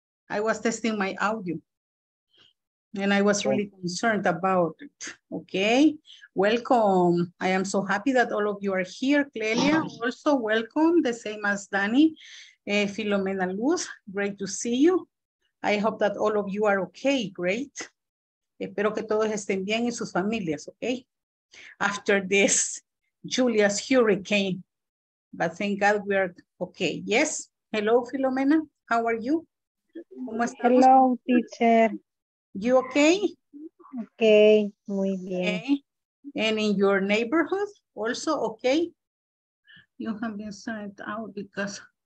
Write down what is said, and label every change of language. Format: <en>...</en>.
<en>I was testing my audio and I was really concerned about it. Okay, welcome. I am so happy that all of you are here. Clelia, also welcome, the same as Dani. Filomena Luz, great to see you. I hope that all of you are okay, great.</en> <es>Espero que todos estén bien en sus familias, okay?</es> <en>After this, Julia's hurricane, but thank God we are okay. Yes, hello, Filomena, how are you?</en> <es>¿Cómo estás?</es> <en>Hello, teacher. You okay? Okay,</en> <es>muy bien.</es> <en>Okay. And in your neighborhood, also okay? You have been sent out because...</en>